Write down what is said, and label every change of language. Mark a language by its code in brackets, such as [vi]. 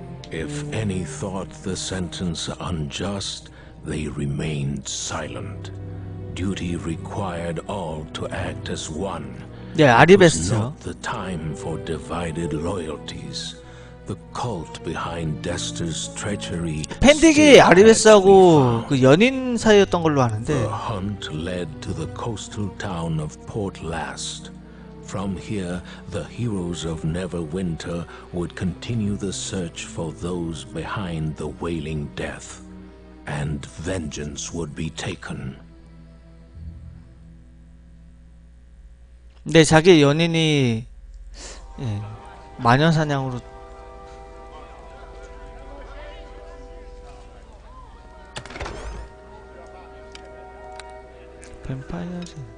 [en] If any thought the sentence unjust, they remained silent. Duty required all to act as one. Yeah, it was not the time for divided loyalties. The cult behind Dester's treachery. [ko] 펜딕이 아리베스하고 그 연인 사이였던 걸로 아는데. [en] The hunt led to the coastal town of Port Last. From here, the heroes of Neverwinter would continue the search for those behind the Wailing Death, and vengeance would be taken. [ko] 근데 자기 연인이 예, 마녀 사냥으로 뱀파이어즈.